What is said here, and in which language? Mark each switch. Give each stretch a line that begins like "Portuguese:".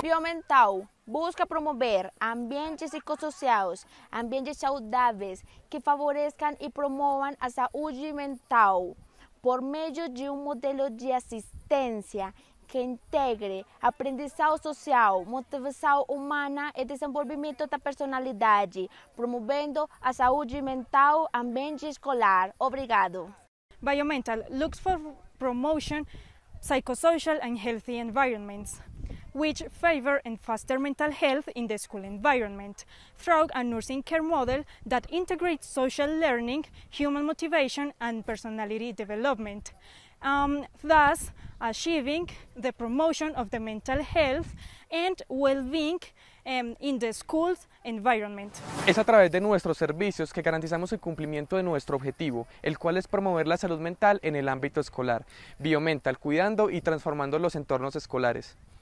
Spanish: Biomental busca promover ambientes psicosociales, ambientes saludables que favorezcan y promuevan la salud mental por medio de un modelo de asistencia que integre aprendizado social, motivación humana y desenvolvimiento de personalidad, promoviendo la salud mental, ambiente escolar.
Portuguese: Obrigado.
English: Biomental looks for promotion psychosocial and healthy environments, which favor and foster mental health in the school environment, through a nursing care model that integrates social learning, human motivation, and personality development. Thus, achieving the promotion of the mental health and well-being in the school's environment.
Spanish: Es a través de nuestros servicios que garantizamos el cumplimiento de nuestro objetivo, el cual es promover la salud mental en el ámbito escolar, Biomental, cuidando y transformando los entornos escolares.